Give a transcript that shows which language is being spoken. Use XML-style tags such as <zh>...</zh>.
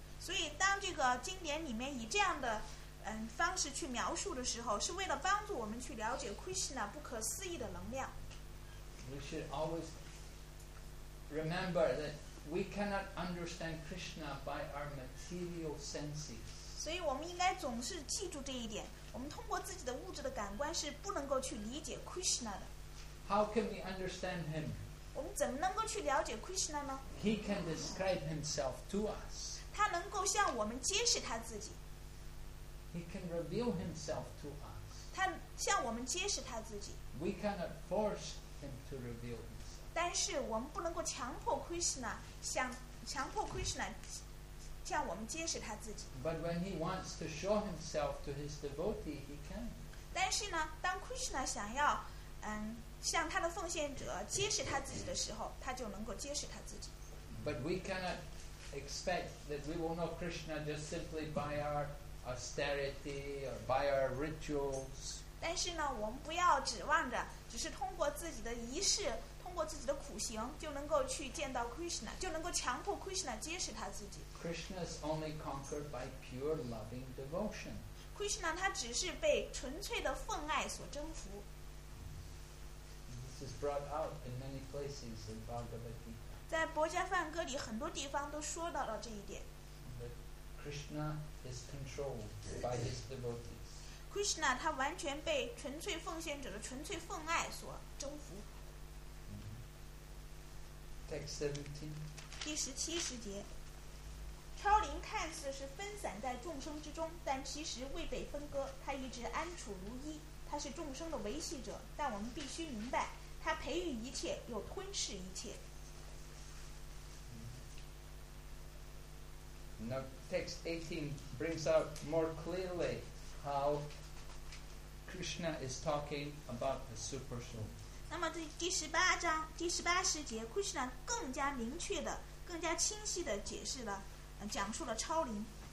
<zh>所以，当这个经典里面以这样的方式去描述的时候，是为了帮助我们去了解 Krishna 不可思议的能量。</zh> <en>We should always remember that we cannot understand Krishna by our material senses.</en> <zh>所以我们应该总是记住这一点，我们通过自己的物质的感官是不能够去理解 Krishna 的。</zh> <en>How can we understand him?</en> <zh>我们怎么能够去了解 Krishna 呢？</zh> <en>He can describe himself to us.</en> <zh>他能够向我们揭示他自己。</zh> <en>He can reveal himself to us.</en> <zh>他向我们揭示他自己。</zh> <en>We cannot force him to reveal himself.</en> <zh>但是我们不能够强迫 Krishna 向我们揭示他自己。</zh> <en>But when he wants to show himself to his devotee, he can.</en> <zh>但是呢，当 Krishna 想要向他的奉献者揭示他自己的时候，他就能够揭示他自己。</zh> <en>But we cannot expect that we will know Krishna just simply by our austerity or by our rituals.</en> <zh>但是呢，我们不要指望着，只是通过自己的仪式，通过自己的苦行，就能够去见到 Krishna， 就能够强迫 Krishna 揭示他自己。</zh> <en>Krishna is only conquered by pure loving devotion.</en> <zh>Krishna 他只是被纯粹的奉爱所征服。</zh> <en>This is brought out in many places in Bhagavad Gita.</en> <zh>在《薄伽梵歌》里，很多地方都说到了这一点。</zh> <en>Krishna is controlled by his devotees.</en> <zh>Krishna, 他完全被纯粹奉献者的纯粹奉爱所征服。</zh> <en>Text 17.</en> <zh>第十七十节，超灵看似是分散在众生之中，但其实未被分割，他一直安处如一，他是众生的维系者，但我们必须明白，他培育一切又吞噬一切。</zh> <en>Now text 18 brings out more clearly how Krishna is talking about the super soul.</en> <zh>那么在第十八章第十八十节 ，Krishna 更加明确的、更加清晰的解释了，讲述了超灵。</zh>